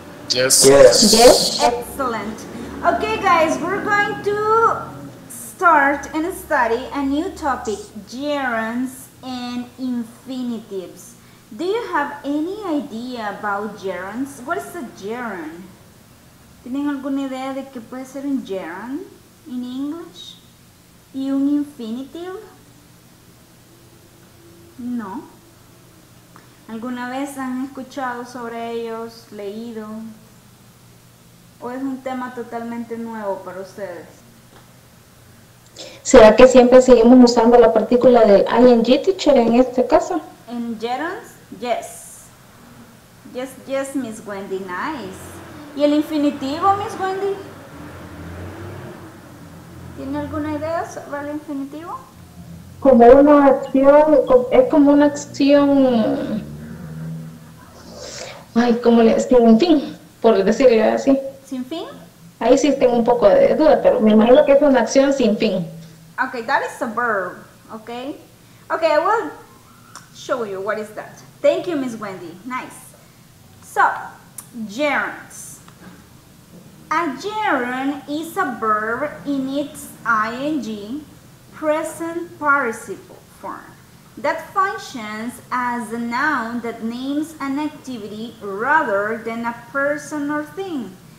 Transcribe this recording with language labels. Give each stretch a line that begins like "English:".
English: Yes. Excellent. Okay, guys, we're going to start and study a new topic, gerunds and infinitives. Do you have any idea about gerunds? What is a gerund?
Spanish: ¿Tienen alguna idea de qué puede ser un gerund
English: in English?
Spanish: ¿Y un infinitive? No. ¿Alguna vez han escuchado sobre ellos, leído? ¿O es un tema totalmente nuevo para ustedes? ¿Será que siempre seguimos usando la partícula de ing, teacher, en este caso?
English: ¿En gerunds? Yes. Yes, Miss Wendy, nice.
Spanish: ¿Y el infinitivo, Miss Wendy? ¿Tiene alguna idea sobre el infinitivo? Como una acción, es como una acción. Ay, ¿cómo le decimos? Sin fin, por decirle así. ¿Sin fin? Ahí sí tengo un poco de duda, pero me imagino que es una acción sin fin.
English: Okay, that is a verb, okay? Okay, I will show you what is that. Thank you, Miss Wendy. Nice. So, gerunds. A gerund is a verb in its ing present participle form that functions as a noun that names an activity rather than a person or thing.